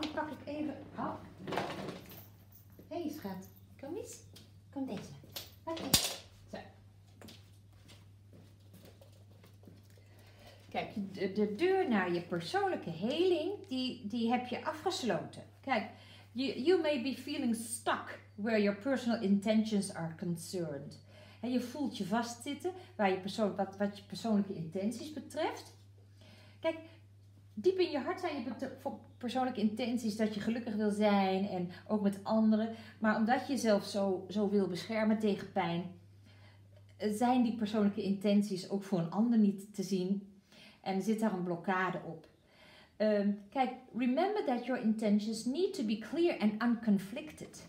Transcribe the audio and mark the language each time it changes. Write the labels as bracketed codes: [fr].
[nl] Die pak ik even af. Hé, hey, schat. Kom eens. Kom deze. Oké. Kijk, de deur naar je persoonlijke heling, die heb je afgesloten. [en] Kijk, you may be feeling stuck where your personal intentions are concerned. [nl] En je voelt je vastzitten waar je wat je persoonlijke intenties betreft. Kijk, diep in je hart zijn je persoonlijke intenties dat je gelukkig wil zijn en ook met anderen. Maar omdat je jezelf zo wil beschermen tegen pijn, zijn die persoonlijke intenties ook voor een ander niet te zien. En zit daar een blokkade op. [en] Kijk, remember that your intentions need to be clear and unconflicted.